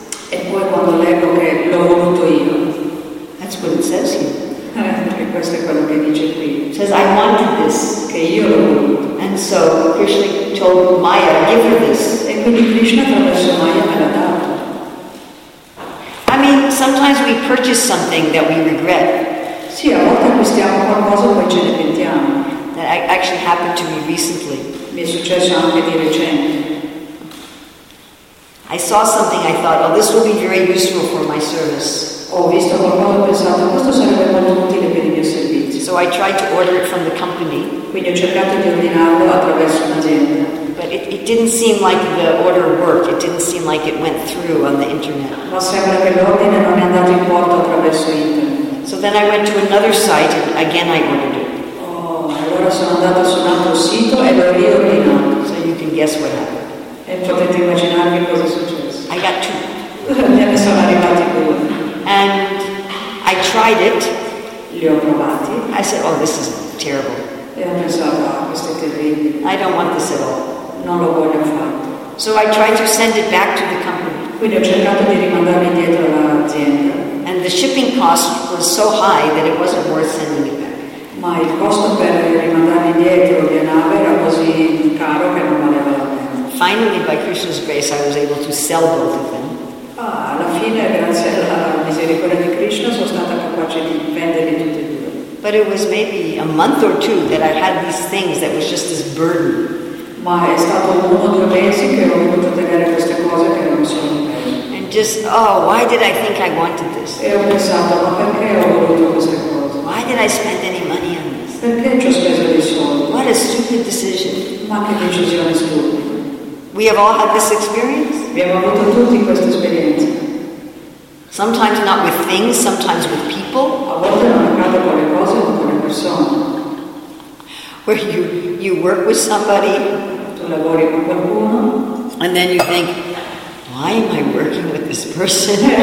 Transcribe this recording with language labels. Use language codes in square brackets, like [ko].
[it] E poi quando leggo che l'ho voluto io, [en] that's what it says here. [it] Questo è quello che dice qui. [en] Says I wanted this, [it] che io l'ho voluto. [en] And so Krishna told Maya, give her this. [it] E quindi Krishna attraverso Maya me l'ha dato. [en] I mean, sometimes we purchase something that we regret. [it] Sì, a volte acquistiamo qualcosa poi ce ne pentiamo. [en] That actually happened to me recently. [it] Mi è successo anche di recente. [en] I saw something, I thought, oh, this will be very useful for my service. [it] Ho visto qualcosa, ho pensato, questo sarebbe molto utile per il mio servizio. [en] So I tried to order it from the company. [it] Quindi ho cercato di ordinarlo attraverso un'azienda. [en] But it didn't seem like the order worked. It didn't seem like it went through on the internet. [it] Ma sembra che l'ordine non è andato in porto attraverso internet. [en] So then I went to another site and again I ordered it. [it] Oh, allora sono andato su un altro sito e l'ho riordinato. [en] So you can guess what happened. [it] E potete immaginarvi cosa è successo. [en] I got two. [it] Ne sono arrivati due. [en] And I tried it. [it] Li ho provati. [en] I said, oh, this is terrible. [it] E ho pensato, oh, questo è terribile. [en] I don't want this at all. [it] Non lo voglio affatto. [en] So I tried to send it back to the company. [it] Quindi ho cercato di rimandarlo indietro all'azienda. [en] And the shipping cost was so high that it wasn't worth sending it back. [it] Ma il costo per rimandarlo indietro di nave era così caro che non valeva la pena. [en] Finally, by Krishna's grace, I was able to sell both of them. [it] Ah, alla fine, grazie alla misericordia di Krishna, sono stata capace di venderli tutti e due. [en] But it was maybe a month or two that I had these things that was just this burden. [it] Ma è stato uno o due mesi che ho dovuto tenere queste cose che non sono bene. [en] And just, oh, why did I think I wanted this? [it] E ho pensato, ma perché ho voluto queste cose? [en] Why did I spend any money on this? [it] Perché ci ho speso dei soldi? [en] What a stupid decision. [it] Ma che decisione stupida. [en] We have all had this experience. [it] Abbiamo avuto tutti questa esperienza. [en] Sometimes not with things, sometimes with people. [it] A volte non accade con le cose, ma con le persone. [en] Where you work with somebody. [it] Tu lavori con qualcuno. [en] And then you think, why am I working with this person?